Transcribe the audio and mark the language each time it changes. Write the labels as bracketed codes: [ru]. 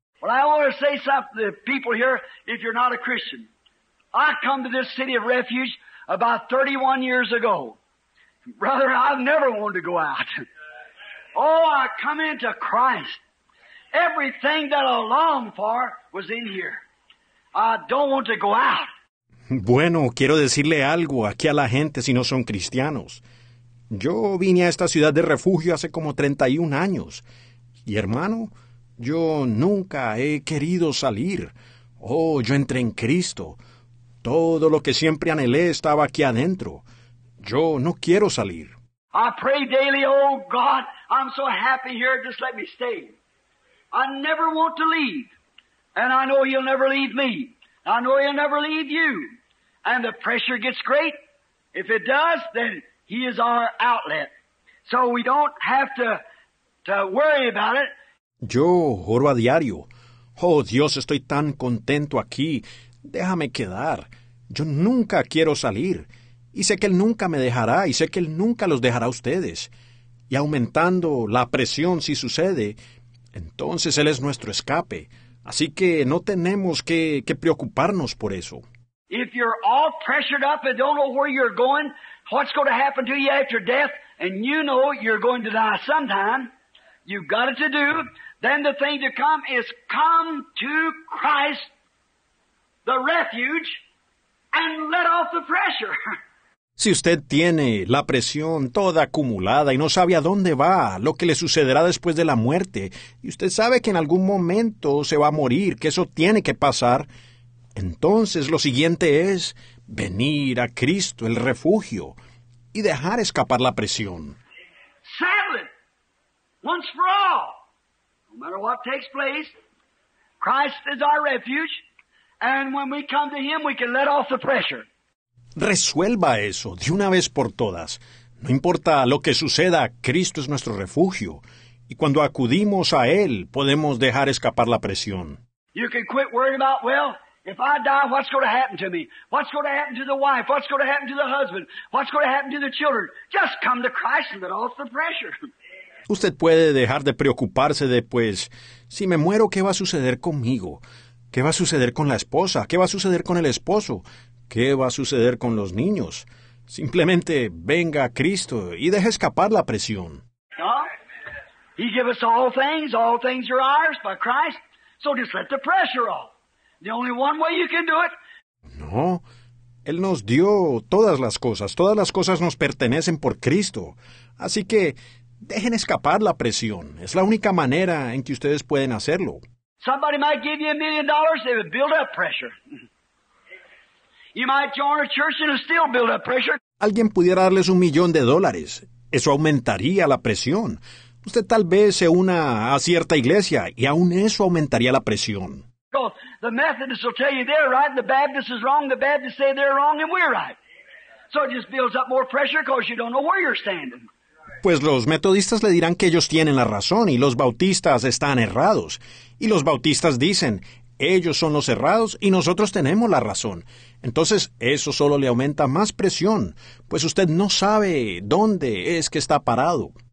[en] Well, I want to say something to the people here if you're not a Christian. I come to this city of refuge about 31 years ago. Brother, I've never wanted to go out. Oh, I come into Christ. Everything that I longed for was in here. I don't want to go out. [es] Bueno, quiero decirle algo aquí a la gente si no son cristianos. Yo vine a esta ciudad de refugio hace como 31 años. Y hermano, yo nunca he querido salir. Oh, yo entré en Cristo. Todo lo que siempre anhelé estaba aquí adentro. Yo no quiero salir. [en] I pray daily, oh God, I'm so happy here, just let me stay. I never want to leave, and I know He'll never leave me. I know He'll never leave you. And the pressure gets great. If it does, then He is our outlet. So we don't have to worry about it. [es] Yo oro a diario. Oh, Dios, estoy tan contento aquí. Déjame quedar. Yo nunca quiero salir. Y sé que Él nunca me dejará, y sé que Él nunca los dejará a ustedes. Y aumentando la presión si sucede, entonces Él es nuestro escape. Así que no tenemos que preocuparnos por eso. [en] If you're all pressured up and don't know where you're going, what's going to happen to you after death, and you know you're going to die sometime, you've got it to do, then the thing to come is come to Christ, the refuge, and let off the pressure. [es] Si usted tiene la presión toda acumulada y no sabe a dónde va, lo que le sucederá después de la muerte, y usted sabe que en algún momento se va a morir, que eso tiene que pasar, entonces lo siguiente es venir a Cristo, el refugio, y dejar escapar la presión. [en] Sadly, once for all, no matter what takes place, Christ is our refuge, and when we come to Him, we can let off the pressure. [es] Resuelva eso de una vez por todas. No importa lo que suceda, Cristo es nuestro refugio. Y cuando acudimos a Él, podemos dejar escapar la presión. [en] You can quit worrying about, well, if I die, what's going to happen to me? What's going to happen to the wife? What's going to happen to the husband? What's going to happen to the children? Just come to Christ and let off the pressure. [es] Usted puede dejar de preocuparse de, pues, si me muero, ¿qué va a suceder conmigo? ¿Qué va a suceder con la esposa? ¿Qué va a suceder con el esposo? ¿Qué va a suceder con los niños? Simplemente venga a Cristo y deje escapar la presión. [en] He gave us all things are ours by Christ. So just let the pressure off. The only one way you can do it. [es] No, Él nos dio todas las cosas nos pertenecen por Cristo. Así que dejen escapar la presión. Es la única manera en que ustedes pueden hacerlo. [en] Somebody might give you $1 million, they would build up pressure. You might join a church and still build up pressure. [es] Alguien pudiera darles $1 millón. Eso aumentaría la presión. Usted tal vez se una a cierta iglesia y aún eso aumentaría la presión. [en] The Methodists will tell you they're right, the Baptist is wrong, the Baptists say they're wrong and we're right. So it just builds up more pressure because you don't know where you're standing. [es] Pues los metodistas le dirán que ellos tienen la razón y los bautistas están errados. Y los bautistas dicen, ellos son los errados y nosotros tenemos la razón. Entonces, eso solo le aumenta más presión, pues usted no sabe dónde es que está parado.